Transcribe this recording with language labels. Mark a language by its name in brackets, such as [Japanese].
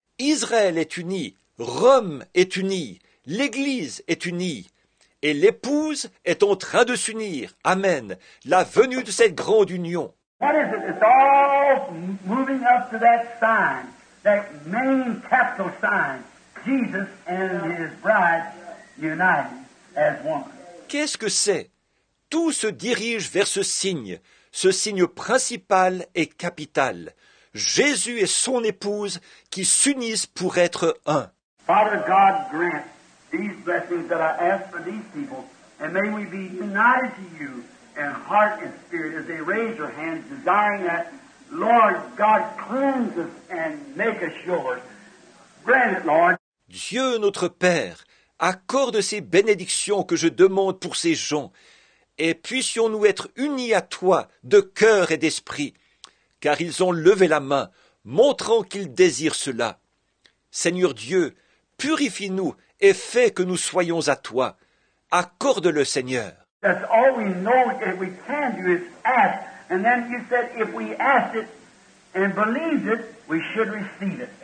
[French] Israël est uni, Rome est unie, l'Église est unie. Et l'épouse est en train de s'unir. Amen. La venue de cette grande union. [English] What is it? It's all moving up to that sign, that main capital sign, Jesus and his bride united as one. [French] Qu'est-ce que c'est? Tout se dirige vers ce signe principal et capital, Jésus et son épouse qui s'unissent pour être un. [English] Father God, grant these blessings that I ask for these people, and may we be united to you. And heart and spirit, as they raise their hands, desiring that, Lord God, cleanse us and make us yours. Grant it, Lord. [French] Dieu notre Père, accorde ces bénédictions que je demande pour ces gens, et puissions-nous être unis à toi de cœur et d'esprit, car ils ont levé la main, montrant qu'ils désirent cela. Seigneur Dieu, purifie-nous et fais que nous soyons à toi. Accorde-le, Seigneur. [English] That's all we know that we can do is ask. And then you said if we ask it and believe it, we should receive it.